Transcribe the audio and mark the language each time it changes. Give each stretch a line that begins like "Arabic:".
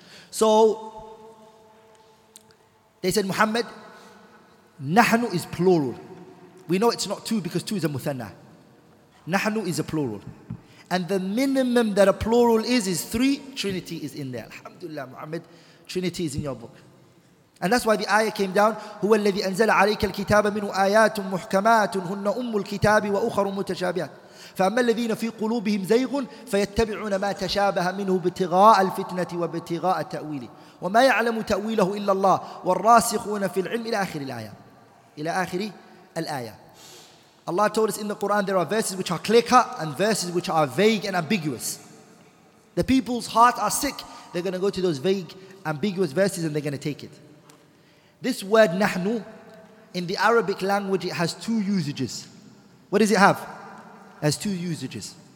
English: So, they said, Muhammad, nahnu is plural. We know it's not two because two is a muthanna. Nahnu is a plural. And the minimum that a plural is three. Trinity is in there. Alhamdulillah, Muhammad, Trinity is in your book. And that's why the ayah came down.
Arabic: هو الذي أنزل عليك الكتاب منه آيات محكمات هن أم الكتاب وأخر متشابهات فأما الذين في قلوبهم زيغ فيتبعون ما تشابه منه ابتغاء الفتنة وابتغاء تأويله وما يعلم تأويله إلا الله والراسخون في العلم إلى آخر الآية إلى آخر الآية.
English: Allah told us in the Quran there are verses which are clear cut and verses which are vague and ambiguous. The people's heart are sick. They're going to go to those vague, ambiguous verses and they're going to take it. This word nahnu, in the Arabic language, it has two usages. What does it have? It has two usages.